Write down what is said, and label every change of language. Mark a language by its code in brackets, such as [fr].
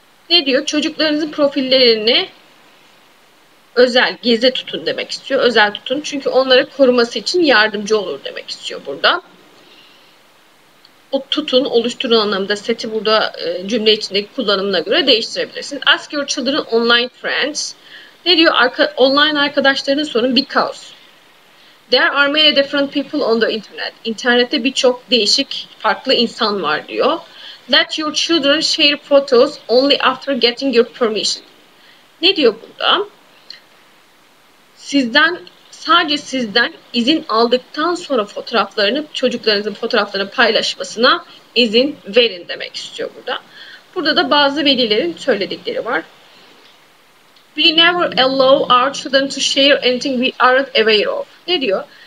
[tr] Ne diyor? Çocuklarınızın profillerini özel, gizli tutun demek istiyor. Özel tutun. Çünkü onları koruması için yardımcı olur demek istiyor burada. O tutun, oluşturun anlamında seti burada cümle içindeki kullanımına göre değiştirebilirsiniz. [en] Ask your children online friends. [tr] Ne diyor? Online arkadaşlarını sorun. [en] Because there are many different people on the internet. [tr] İnternette birçok değişik farklı insan var diyor. [en] Let your children share photos only after getting your permission. [tr] Ne diyor burada? Sadece sizden izin aldıktan sonra fotoğraflarını, çocuklarınızın fotoğraflarını paylaşmasına izin verin demek istiyor burada. Burada da bazı velilerin söyledikleri var. [en] We never allow our children to share anything we aren't aware of. [tr] Ne diyor?